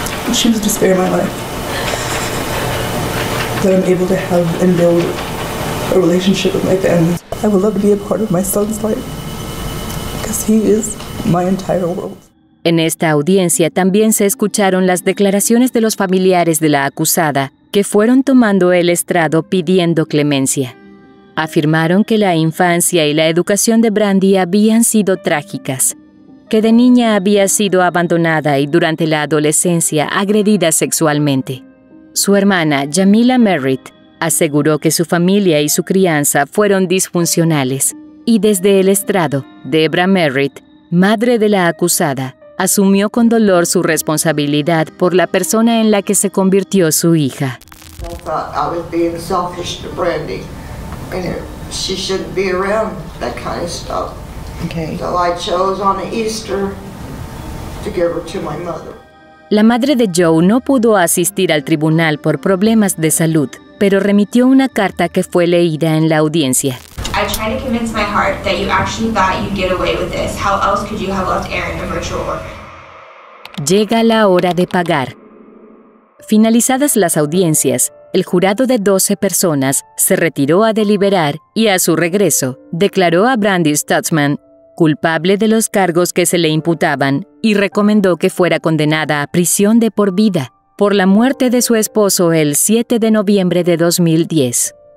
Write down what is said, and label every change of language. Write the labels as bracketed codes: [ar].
[en] Choose to spare my life, that I'm able to have and build a relationship with my family. I would love to be a part of my son's life, because he is my entire world. [es] En esta audiencia también se escucharon las declaraciones de los familiares de la acusada, que fueron tomando el estrado pidiendo clemencia. afirmaron que la infancia y la educación de Brandy habían sido trágicas, que de niña había sido abandonada y durante la adolescencia agredida sexualmente. Su hermana, Jamila Merritt, aseguró que su familia y su crianza fueron disfuncionales. Y desde el estrado, Debra Merritt, madre de la acusada, asumió con dolor su responsabilidad por la persona en la que se convirtió su hija. [en] I thought I was being selfish to Brandy, and she shouldn't be around that kind of stuff. Okay. So I chose on Easter to give her to my mother. [es] La madre de Joe no pudo asistir al tribunal por problemas de salud, pero remitió una carta que fue leída en la audiencia. [en] I tried to convince my heart that you actually thought you'd get away with this. How else could you have left Aaron a virtual orphan? [es] Llega la hora de pagar. Finalizadas las audiencias, el jurado de 12 personas se retiró a deliberar y a su regreso declaró a Brandy Stutzman culpable de los cargos que se le imputaban y recomendó que fuera condenada a prisión de por vida por la muerte de su esposo el 7 de noviembre de 2010.